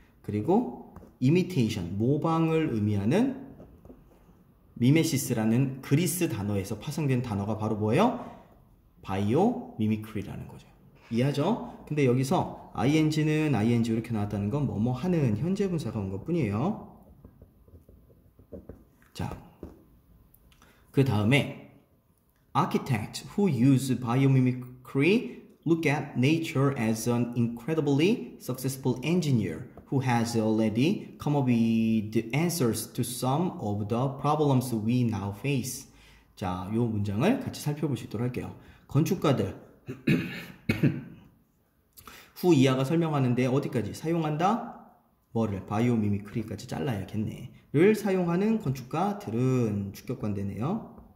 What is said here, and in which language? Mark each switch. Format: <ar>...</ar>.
<ko>그리고 imitation 모방을 의미하는 미메시스라는 그리스 단어에서 파생된 단어가 바로 뭐예요? 바이오 미미크리라는 거죠. 이해하죠? 근데 여기서 ing는 ing 이렇게 나왔다는 건 뭐뭐 하는 현재 분사가 온 것 뿐이에요.</ko> <en>자, 그 다음에 architect who use biomimicry look at nature as an incredibly successful engineer who has already come up with the answers to some of the problems we now face.</en> <ko>자, 이 문장을 같이 살펴보시도록 할게요. 건축가들 후 이하가 설명하는데 어디까지 사용한다? 뭐를? 바이오미미크리까지 잘라야겠네. 를 사용하는 건축가들은 주격관 되네요.</ko>